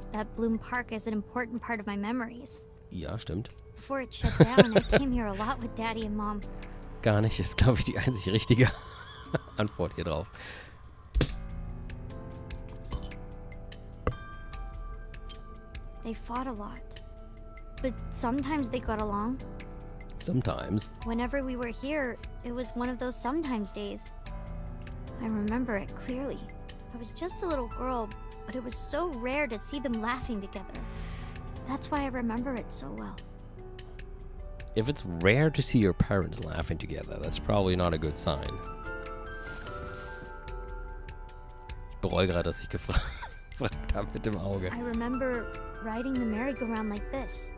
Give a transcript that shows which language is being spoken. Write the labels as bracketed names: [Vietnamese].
[English] That Bloom Park is an important part of my memories. [German] Ja, stimmt. [English] Before it shut down, I came here a lot with Daddy and Mom. [German] Gar nicht, ist glaube ich die einzig richtige Antwort hier drauf. [English] They fought a lot. But sometimes they got along. Sometimes. Whenever we were here, it was one of those sometimes days. I remember it clearly. I was just a little girl, but it was so rare to see them laughing together. That's why I remember it so well. If it's rare to see your parents laughing together, that's probably not a good sign. [German] Ich bereue gerade, dass ich gefragt habe mit dem Auge. [English] I remember riding the merry-go-round like this.